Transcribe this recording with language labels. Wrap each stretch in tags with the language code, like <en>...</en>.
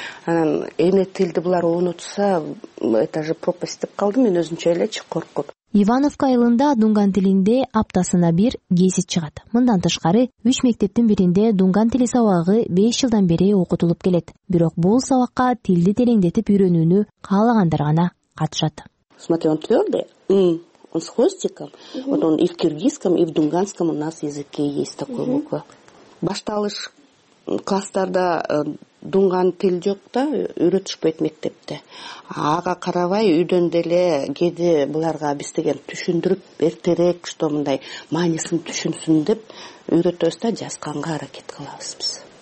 <ky>Анан эне тилди булар унутса</ky> <ru>это же пропасть</ru> <ky>деп калдым мен өзүнчө элечи коркуп. Ивановка айылында дунган тилинде аптасына бир гезит чыгат. Мындан тышкары 3 мектептин биринде дунган тили сабагы 5 жылдан бери окутулуп келет. Бирок бул сабакка тилди тереңдетип үйрөнүүнү каалагандар гана катышат.</ky> <ru>Смотри, он твёрдый. Он с хвостиком. Вот он и в киргизском, и в дунганском у нас языке есть такой буква.</ru> <ky>Башталыш класстарда дунган тил жок да, үйрөтүшпөйт мектепте. Ага карабай үйдөн деле кээде буларга биз деген түшүндүрүп эртерээк что мындай маанисин түшүнсүн деп үйрөтөбүз да, жазганга аракет кылабыз биз.</ky>